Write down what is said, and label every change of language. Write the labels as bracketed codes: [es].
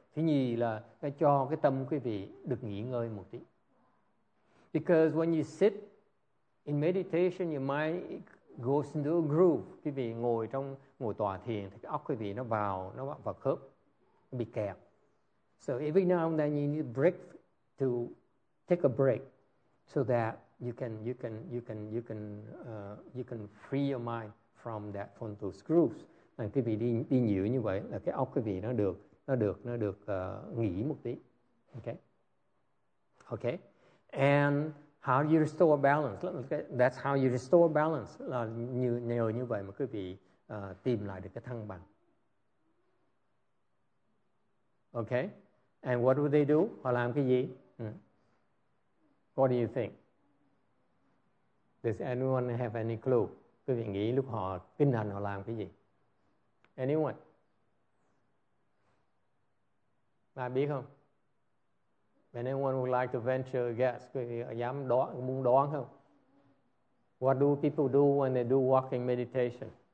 [vi] Thứ nhì là nó cho cái tâm quý vị được nghỉ ngơi một tí. [en] Because when you sit in meditation, your mind goes into a groove. [vi] Quý vị ngồi trong ngồi tọa thiền thì cái óc quý vị nó vào khớp, nó bị kẹt. [en] So every now and then you need a break to take a break so that you can free your mind from that from those grooves. [vi] Nên quý vị đi nhiều như vậy là cái óc quý vị nó được nghỉ một tí. [en] Okay. Okay. And how do you restore balance? That's how you restore balance. [vi] Là nhờ như vậy mà quý vị tìm lại được cái thăng bằng. [en] Okay. And what do they do? [vi] Họ làm cái gì? [en] What do you think? Does anyone have any clue? [vi] Quý vị nghĩ lúc họ kinh hành họ làm cái gì? Anyone? Bạn biết không? [en] Anyone would like to venture a guess? [vi] Quý vị dám muốn đoán không? [en] What do people do when they do walking meditation?